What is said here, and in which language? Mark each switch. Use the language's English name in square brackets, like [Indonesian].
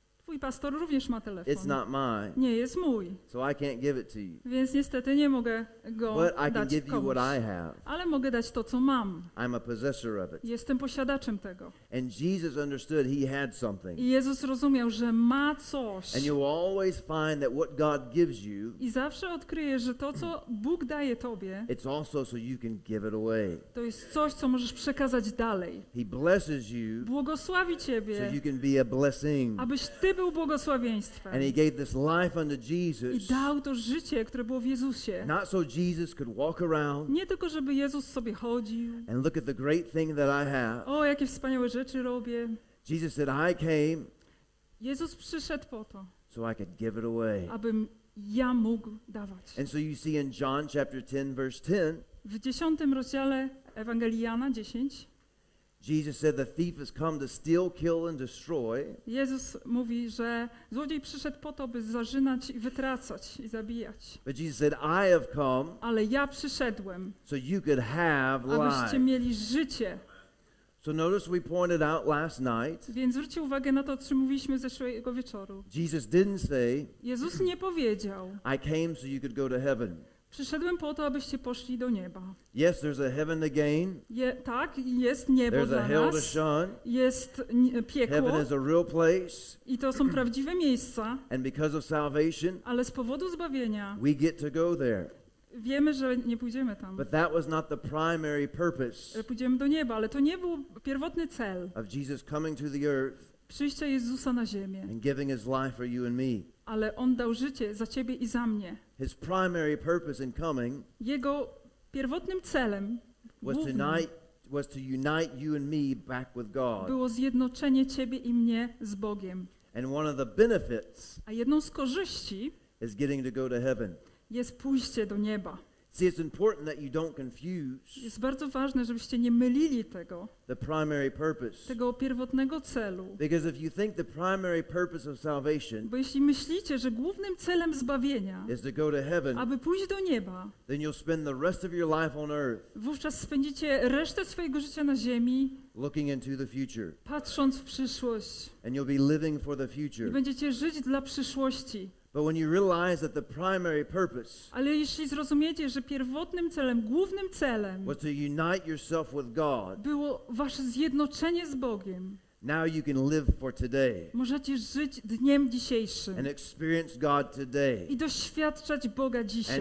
[Polish] Twój pastor również ma telefon. [English] It's not mine. [Polish] Nie jest mój. [English] So I can't give it to you. [Polish] Więc niestety nie mogę go [English] but [Polish] dać [English] I can give [Polish] komuś. [English] You what I have. [Polish] Ale mogę dać to, co mam. [English] I'm a possessor of it. [Polish] Jestem posiadaczem tego. [English] And Jesus understood he had something. [Polish] I Jezus rozumiał, że ma coś. [English] And you always find that what God gives you, [Polish] i zawsze odkryjesz, że to, co Bóg daje tobie, [English] it's also so you can give it away. [Polish] To jest coś, co możesz przekazać dalej. [English] He blesses you, [Polish] błogosławi ciebie, [English] so you can be a blessing. [Polish] Abyś ty był błogosławieństwem. [English] And he gave this life unto Jesus, [Polish] i dał to życie, które było w Jezusie. [English] Not so Jesus could walk around, [Polish] nie tylko, żeby Jezus sobie chodził. [English] And look at the great thing that I have. [Polish] O, jakie wspaniałe rzeczy robię. [English] Jesus said, I came, [Polish] Jezus przyszedł po to, [English] so I could give it away. [Polish] Abym ja mógł dawać. [English] And so you see in John chapter 10, verse 10, [Polish] w 10 rozdziale Ewangelii Jana 10, [English] Jesus said, the thief has come to steal, kill and destroy. [Polish] Jezus mówi, że złodziej przyszedł po to, by zażynać i wytracać i zabijać. [English] But Jesus said, I have come, [Polish] ale ja przyszedłem, [English] so you could have life. [Polish] Abyście mieli życie. [English] So notice we pointed out last night, [Polish] więc zwróćcie uwagę na to, o czym mówiliśmy zeszłego wieczoru. [English] Jesus didn't say, [Polish] Jezus nie powiedział, [English] I came so you could go to heaven. [Polish] Przyszedłem po to, abyście poszli do nieba. [English] Yes, there's a heaven to gain. [Polish] Tak, jest niebo [English] there's [Polish] dla [English] a hell [Polish] nas. [English] To shun. [Polish] Jest piekło. [English] Heaven is a real place. [Polish] I to są prawdziwe miejsca. [English] And because of salvation, [Polish] ale z powodu zbawienia, [English] we get to go there. [Polish] Wiemy, że nie pójdziemy tam. [English] But that was not the primary purpose, [Polish] ale pójdziemy do nieba, ale to nie był pierwotny cel [English] of Jesus coming to the earth, [Polish] przyjścia Jezusa na ziemię, [English] and giving his life for you and me. [Polish] Ale On dał życie za ciebie i za mnie. [English] His primary purpose in coming, [Polish] jego pierwotnym celem [English] was to unite you and me back with God. [Polish] Było zjednoczenie ciebie i mnie z Bogiem. [English] And one of the benefits, [Polish] a jedną z korzyści, [English] is getting to go to heaven. [Polish] Jest pójście do nieba. [English] See, it's important that you don't confuse, [Polish] jest bardzo ważne, żebyście nie mylili tego, [English] the primary purpose, [Polish] tego pierwotnego celu. [English] Because if you think the primary purpose of salvation, [Polish] bo jeśli myślicie, że głównym celem zbawienia, [English] is to go to heaven, [Polish] aby pójść do nieba, [English] then you'll spend the rest of your life on earth, [Polish] wówczas spędzicie resztę swojego życia na ziemi, [English] looking into the future, [Polish] patrząc w przyszłość, [English] and you'll be living for the future, [Polish] i będziecie żyć dla przyszłości. [English] But when you realize that the primary purpose, [Polish] ale jeśli zrozumiecie, że pierwotnym celem, głównym celem, [English] was to unite yourself with God, [Polish] było wasze zjednoczenie z Bogiem, [English] now you can live for today, [Polish] możecie żyć dniem dzisiejszym, [English] and experience God today, [Polish] i doświadczać Boga dzisiaj,